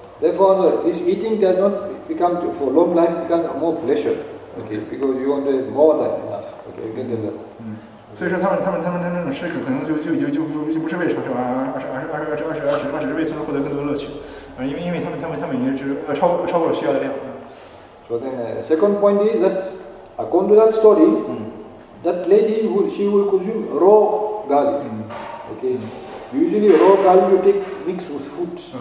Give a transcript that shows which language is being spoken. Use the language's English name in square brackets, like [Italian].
[English] Therefore, this eating does not become to, for long life become more pleasure, okay? Because you want more than enough, okay? You can tell that. [Chinese] 所以说他们那种食可能就不是为了长寿，而是为了获得更多乐趣，因为他们已经超过了需要的量。 [English] Second point is that according to that story, that lady would she will consume raw garlic, okay? Mm. Usually raw garlic you take mixed with food.